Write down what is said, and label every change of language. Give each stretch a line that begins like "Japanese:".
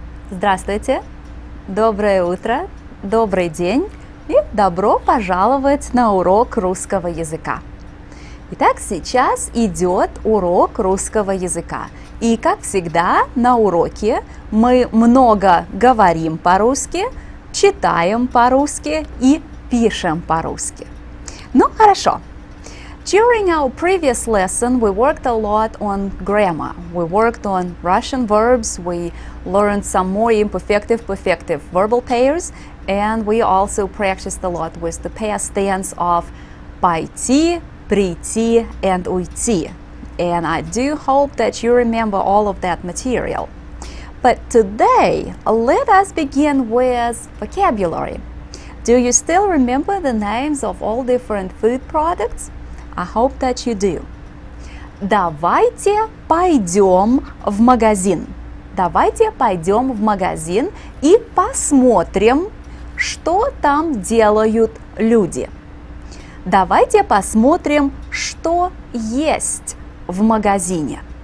Russian: Здравствуйте, доброе утро, добрый день и добро пожаловать на урок русского языка. Итак, сейчас идет урок русского языка. И, как всегда, на уроке мы много говорим по-русски, читаем по-русски и пишем по-русски. Ну, хорошо.
English: During our previous lesson, we worked a lot on grammar. We worked on Russian verbs, we learned some more imperfective-perfective verbal pairs, and we also practiced a lot with the past tense of пойти, прийти, and уйти. And I do hope that you remember all of that material. But today, let us begin with vocabulary. Do you still remember the names of all different food products? I hope that you do.
Russian: Давайте пойдем в магазин. Давайте пойдем в магазин и посмотрим, что там делают люди. Давайте посмотрим, что есть в магазине.